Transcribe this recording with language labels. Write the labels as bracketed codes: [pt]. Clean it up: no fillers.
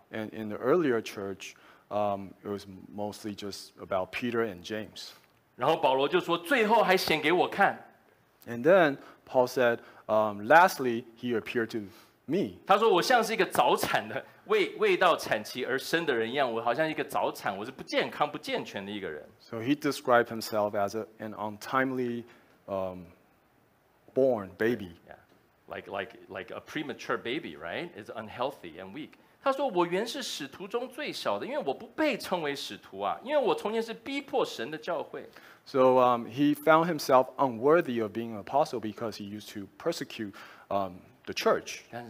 [en] And in the earlier church, it was mostly just about Peter and James. [zh] 然后保罗就说，最后还显给我看。And [en] then Paul said, lastly, he appeared to me. [zh] 他说，我像是一个早产的，未到产期而生的人一样，我好像一个早产，我是不健康、不健全的一个人。So [en] he described himself as an untimely born baby. Yeah. Like a premature baby, right? It's unhealthy and weak. [zh] 他说，我原是使徒中最小的，因为我不被称为使徒啊，因为我从前是逼迫神的教会。 [en] So he found himself unworthy of being an apostle because he used to persecute the church.